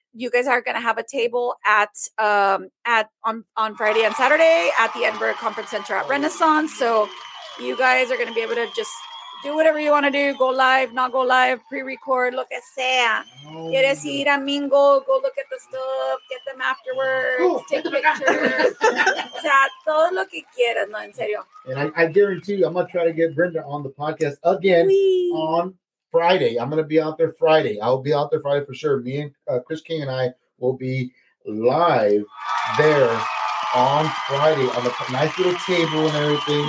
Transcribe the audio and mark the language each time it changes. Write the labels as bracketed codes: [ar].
[en] You guys are going to have a table on Friday and Saturday at the Edinburgh Conference Center at Renaissance. So you guys are going to be able to just do whatever you want to do. Go live, not go live, pre-record, [es] lo que sea. ¿Quieres ir a mingo? [en] Go look at the stuff, get them afterwards, take pictures. [es] O sea, todo lo que quieras, no, en serio. [en] And I guarantee you, I'm going to try to get Brenda on the podcast again on Friday. I'm going to be out there Friday. I'll be out there Friday for sure. Me and Chris King and I will be live there on Friday on a nice little table and everything.